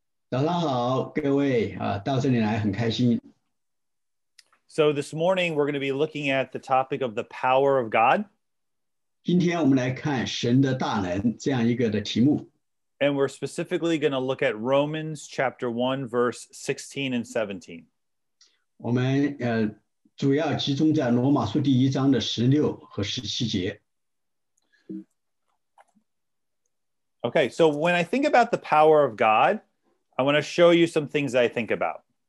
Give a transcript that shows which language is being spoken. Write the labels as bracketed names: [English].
[Chinese] 早上好，各位啊，到这里来很开心。 [English] So this morning we're going to be looking at the topic of the power of God. [Chinese] 今天我们来看神的大能这样一个的题目。 [English] And we're specifically going to look at Romans chapter 1, verse 16 and 17. [Chinese] 我们主要集中在罗马书第一章的16和17节。 [English] Okay, so when I think about the power of God, I want to show you some things that I think about.